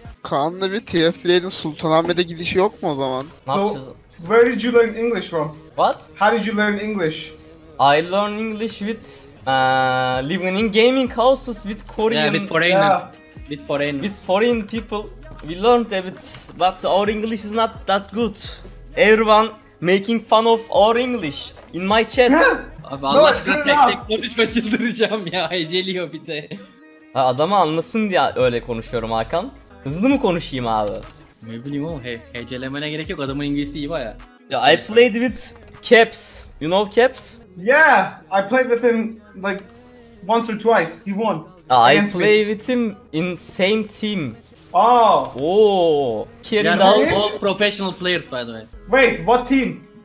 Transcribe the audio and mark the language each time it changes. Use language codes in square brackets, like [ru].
[tr] Kaan'la bir TFL'nin Sultanahmet'e gidişi yok mu o zaman? [en] So, where did you learn English from? What? How did you learn English? I learn English with living in gaming houses with Korean. Yeah, with foreigners. Yeah. With foreigners. With foreign people. We learned a bit, but our English is not that good. Everyone making fun of our English in my chat. [tr] Abi Allah aşkına tek tek konuşma, çıldıracağım ya, heceliyor bir de. Ha, adamı anlasın diye öyle konuşuyorum Hakan. Hızlı mı konuşayım abi? Ne bileyim oğlum, hecelemene gerek yok, adamın İngilizcesi iyi baya. [en] Ya, I played with Caps, you know Caps? Yeah, I played with him like once or twice, he won. I played with him in same team. All professional players by the way. Wait, what team?